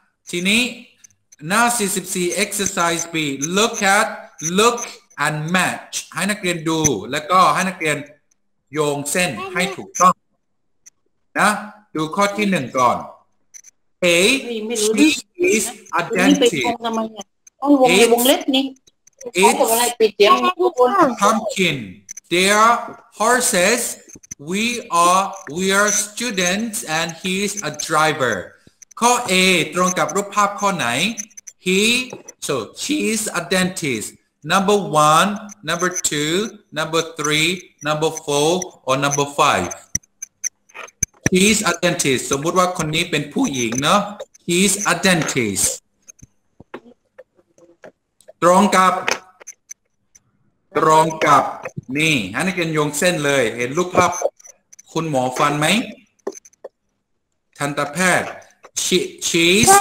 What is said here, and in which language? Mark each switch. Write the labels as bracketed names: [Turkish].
[Thai] ทีนี้หน้า44 [English] exercise B look at look and match [Thai] ให้นักเรียนดูแล้วก็ให้นักเรียนโยงเส้นให้ถูกต้องนะดูข้อที่1ก่อน [English] A she is a dentist [Thai] ไปตรงทำไมอ่ะต้องวงเล็บนี่ขอบอกอะไรปิดเสียงทุกคน [English] Pumpkin they are horsesWe are students and he is a driver. [Thai] ข้อ A ตรงกับรูปภาพข้อไหน [English] He, so she is a dentist. Number one, number two, number three, number four, or number five. He is a dentist. [Thai] สมมุติว่าคนนี้เป็นผู้หญิงเนาะ [English] He is a dentist. [Thai] ตรงกับนี่ให้นักเรียนโยงเส้นเลยเห็นรูปภาพคุณหมอฟันไหมทันตแพทย์ชีสชีส